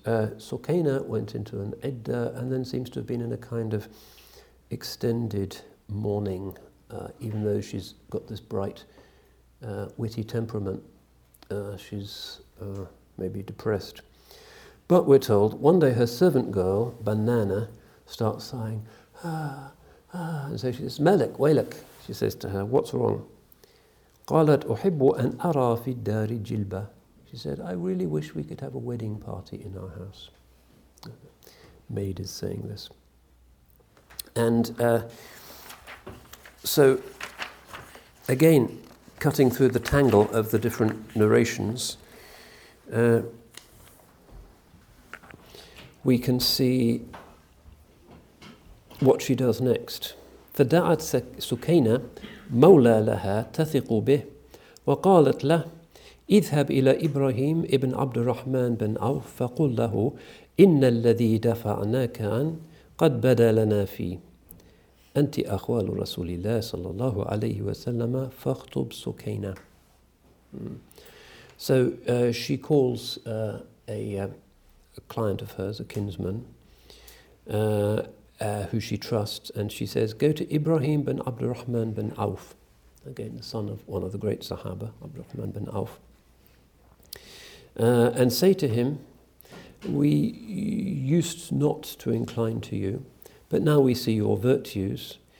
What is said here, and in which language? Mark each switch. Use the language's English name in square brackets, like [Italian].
[English] Sukayna went into an idda and then seems to have been in a kind of extended mourning, even though she's got this bright, witty temperament. She's maybe depressed. But we're told one day her servant girl, Banana, starts sighing, ah, ah, and so she says, Malik, Waylik, she says to her, what's wrong? [Arabic] قالت أحب أن أرى في الدار جلبة. [English] She said, I really wish we could have a wedding party in our house. Maid is saying this. And so, again, cutting through the tangle of the different narrations, we can see what she does next. [Arabic] فدعت سكينة مولى لها تثق به وقالت له اذهب إلى إبراهيم ابن عبد الرحمن بن عوف فقل له إن الذي دفعناك عن قد بدا لنا فيه أنت أخوال رسول الله صلى الله عليه وسلم فاخطب سكينة. [English] So she calls a client of hers, a kinsman, who she trusts, and she says, go to Ibrahim bin Abd al-Rahman bin Auf, again, the son of one of the great Sahaba, Abd al-Rahman bin Auf, and say to him, we used not to incline to you, but now we see your virtues.